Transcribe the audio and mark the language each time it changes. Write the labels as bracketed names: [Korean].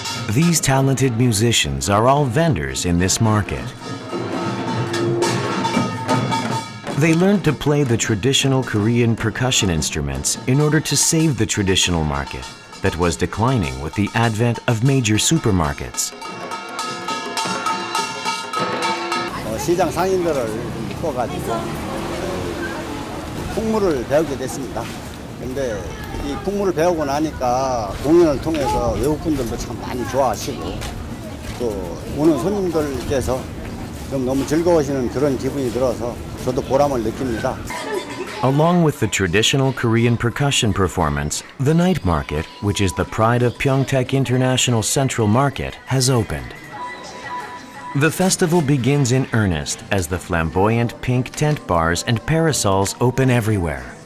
[English] These talented musicians are all vendors in this market. They learned to play the traditional Korean percussion instruments in order to save the traditional market that was declining with the advent of major supermarkets. [Korean] 시장 상인들을 뽑아가지고 풍물을 배우게 됐습니다. 근데 이 풍물을 배우고 나니까 공연을 통해서 외국 분들도 참 많이 좋아하시고 또 오는 손님들께서 좀 너무 즐거워하시는 그런 기분이 들어서 저도 보람을 느낍니다. [English] Along with the traditional Korean percussion performance, the night market, which is the pride of Pyeongtaek International Central Market, has opened. The festival begins in earnest as the flamboyant pink tent bars and parasols open everywhere.